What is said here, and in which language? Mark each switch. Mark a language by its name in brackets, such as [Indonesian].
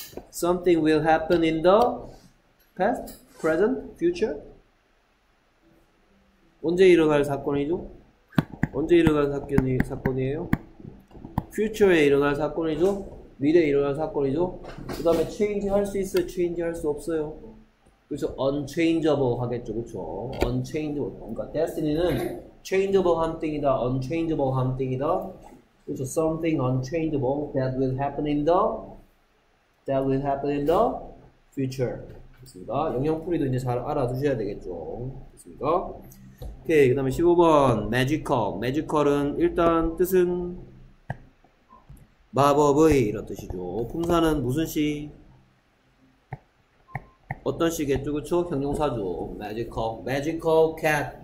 [English] Something will happen in the past, present, future. [Korean] 언제 일어날 사건이죠? 언제 일어날 사건이에요? future에 일어날 사건이죠? 미래에 일어날 사건이죠. 그 다음에 change 할수 있어요? change 할수 없어요? 그래서 unchangeable 하겠죠. 그쵸? unchangeable. 그러니까 destiny는 changeable 한 thing이다. unchangeable 한 thing이다. [English] 그래서 something unchangeable that will happen in the future. [Korean] 됐습니다. 영영풀이도 이제 잘 알아두셔야 되겠죠. 됐습니까? 오케이. 그 다음에 15번. magical. magical은 일단 뜻은 마법의 이런 뜻이죠. 풍사는 무슨 시? 어떤 시계죠? 그쵸? 형용사죠. magical cat.